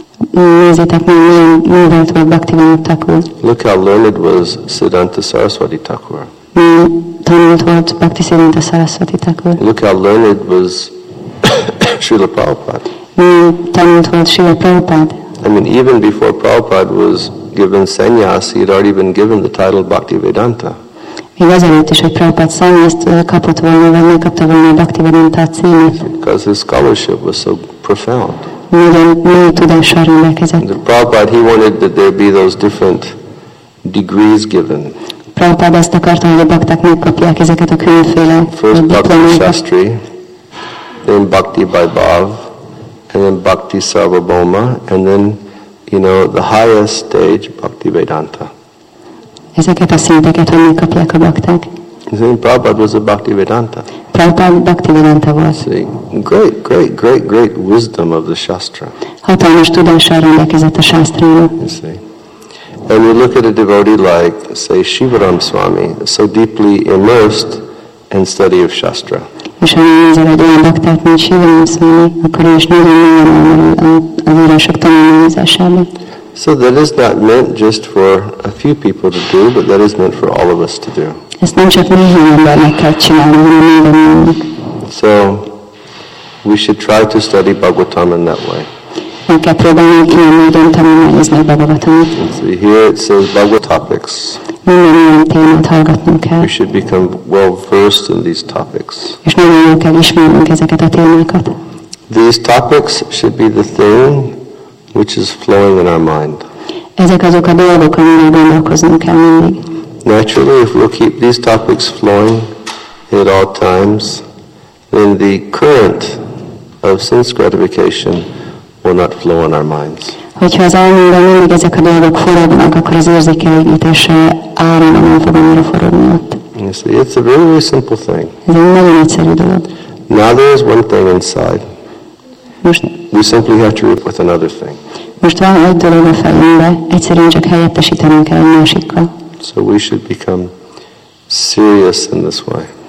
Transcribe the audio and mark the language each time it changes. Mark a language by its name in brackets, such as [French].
[Hungarian] Nézzétek meg, milyen művelt volt Bhaktivinoda Thakur. [English] Look how learned was Siddhanta Saraswati Thakur. [Hungarian] Milyen tanult volt Bhaktisiddhanta Saraswati Thakur. [English] Look how learned was Srila Prabhupada. [Hungarian] Milyen tanult volt Srila Prabhupada. [English] I mean, even before Prabhupada was given sannyas, he had already been given the title Bhaktivedanta. [Hungarian] Még azelőtt is, hogy Prabhupada sannyast kapott volna, vagy megkapta volna a Bhaktivedanta címet. [English] Because his scholarship was so profound. The Prabhupada, he wanted that there be those different degrees given. [Hungarian] Prabhupada azt akarta, hogy a bakták megkapják ezeket a különféle diplomákat. [English] First Bhakti Shastri, then Bhakti Vaibhav, and then Bhakti Sarvabhauma, and then, you know, the highest stage, Bhakti Vedanta. [Hungarian] Ezeket a szinteket, hogy megkapják a bakták. [English] Then Prabhupada was a Bhakti Vedanta. [Hungarian] Prabhupada Bhakti Vedanta volt. [English] See, great, great, great, great wisdom of the Shastra. [Hungarian] Hatalmas tudással rendelkezett a Shastra. [English] And you look at a devotee like, say, Shivaram Swami, so deeply immersed in study of Shastra. [Hungarian] És ha nézel egy olyan baktát, mint Shivaram Swami, akkor is nagyon az írások tanulmányozásában. [English] So that is not meant just for a few people to do, but that is meant for all of us to do. [Hungarian] Ezt nem csak néhány embernek kell csinálni, hanem mindannyiunknak. [English] So, we should try to study Bhagavatam in that way. [Hungarian] Meg kell próbálnunk ilyen módon tanulmányozni a Bhagavatamot. [English] See, here it says Bhagavat topics. [Hungarian] Minden ilyen témát hallgatnunk kell. [English] We should become well versed in these topics. [Hungarian] És nagyon jól kell ismernünk ezeket a témákat. [English] These topics should be the thing which is flowing in our mind. [Hungarian] Ezek azok a dolgok, amivel gondolkoznunk kell mindig. [English] Naturally, if we'll keep these topics flowing at all times, then the current of sense gratification will not flow in our minds. [Hungarian] Hogyha az elménkben mindig ezek a dolgok forognak, akkor az érzékelégítés áron nem fog annyira forogni ott. [English] You see, it's a very, very simple thing. [Hungarian] Ez egy nagyon egyszerű dolog. [English] Now there is one thing inside. [Hungarian] Most, [English] we simply have to rip with another thing. [Hungarian] Most van egy dolog a fejünkben, egyszerűen csak helyettesítenünk kell a másikkal. [English] So we should become serious in this way.